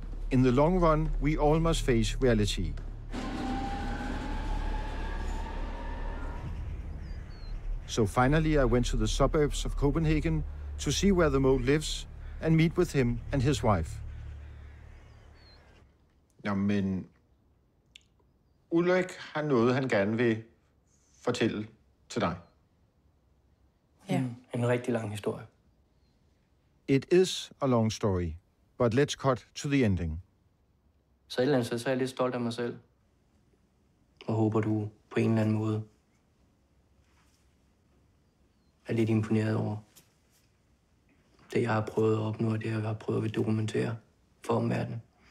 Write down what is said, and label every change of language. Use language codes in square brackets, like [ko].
[en] In the long run, we all must face reality. So finally, I went to the suburbs of Copenhagen to see where the mole lives and meet with him and his wife. [da] Jamen, Ulrik har noget, han gerne vil fortælle til dig. Ja. En rigtig lang historie. [en] It is a long story, but let's cut to the ending. [da] Så et eller andet, så er jeg lidt stolt af mig selv. Og håber du på en eller anden måde er lidt imponeret over det, jeg har prøvet at opnå, og det, jeg har prøvet at dokumentere for omverdenen.